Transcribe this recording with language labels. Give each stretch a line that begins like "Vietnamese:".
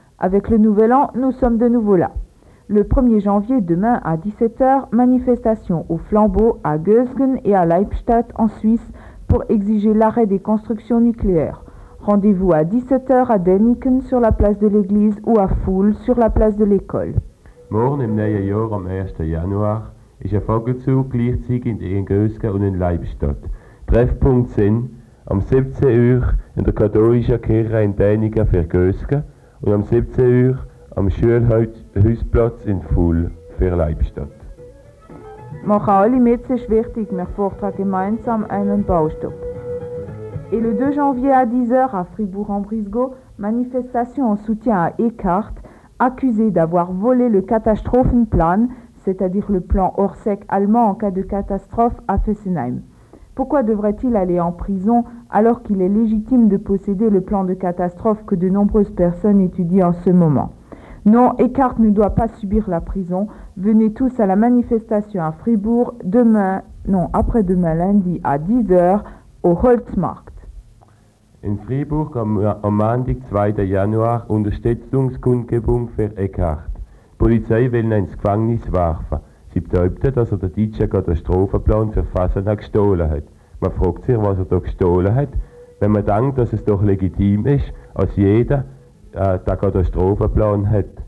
French: Avec le nouvel an, nous sommes de nouveau là. Le 1er janvier, demain à 17h, manifestation au Flambeau, à Gösgen et à Leipstadt en Suisse pour exiger l'arrêt des constructions nucléaires. Rendez-vous à 17h à Däniken sur la place de l'église ou à Foul sur la place de l'école.
German: Morgen im neuen Jahr, am 1. Januar, ist ein Vogelzug gleichzeitig in Gösgen und in Leipstadt. Treffpunkt sind am 17 Uhr in der katholischen Kirche in Däniken für Gösgen und am 17 Uhr am Schulhausplatz in Fuhl für Leibstadt. Machen alle mit, es ist wichtig, wir fordern gemeinsam einen Baustopp.
French: Et le 2 janvier à 10h à Fribourg-en-Brisgau, manifestation en soutien à Eckart, accusé d'avoir volé le Katastrophenplan, c'est-à-dire le plan Orsec allemand en cas de catastrophe à Fessenheim. Pourquoi devrait-il aller en prison alors qu'il est légitime de posséder le plan de catastrophe que de nombreuses personnes étudient en ce moment? Non, Eckart ne doit pas subir la prison. Venez tous à la manifestation à Fribourg demain, non, après-demain lundi à 10h au Holzmarkt.
German: In Fribourg am Montag 2. Januar Unterstützungskundgebung für Eckart. Die Polizei will ihn ins Gefängnis werfen. Sie behaupten, dass er den deutschen Katastrophenplan für Fasernack gestohlen hat. Man fragt sich, was er da gestohlen hat, wenn man denkt, dass es doch legitim ist, als jeder den Katastrophenplan hat.